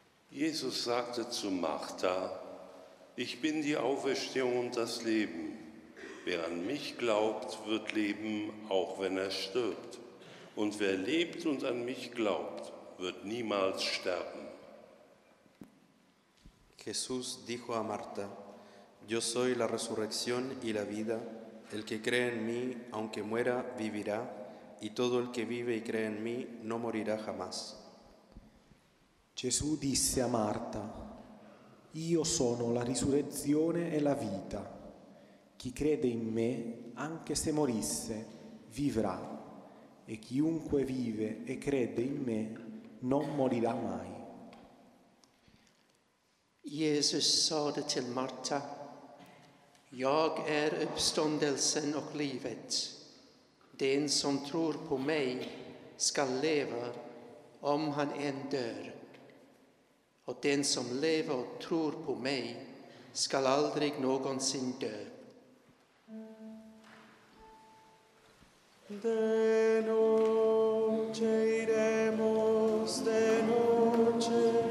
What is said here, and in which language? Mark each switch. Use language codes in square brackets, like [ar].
[de] Jesus sagte zu Martha, ich bin die Auferstehung und das Leben. Wer an mich glaubt, wird leben, auch wenn er stirbt. Und wer lebt und an mich glaubt, wird niemals sterben. [es] Jesús dijo a Marta, yo soy la resurrección y la vida. El que cree en mí, aunque muera, vivirá. Y todo el que vive y cree en mí, no morirá jamás. [it] Gesù disse a Marta, «Io sono la risurrezione e la vita. Chi crede in me, anche se morisse, vivrà. E chiunque vive e crede in me, non morirà mai». [de] Jesus sagte [sv] til Marta, «Jeg uppståndelsen och livet. Den som tror på mig skall leva om han än dör. Och den som lever och tror på mig ska aldrig någonsin dö. [es] De noche iremos, de noche.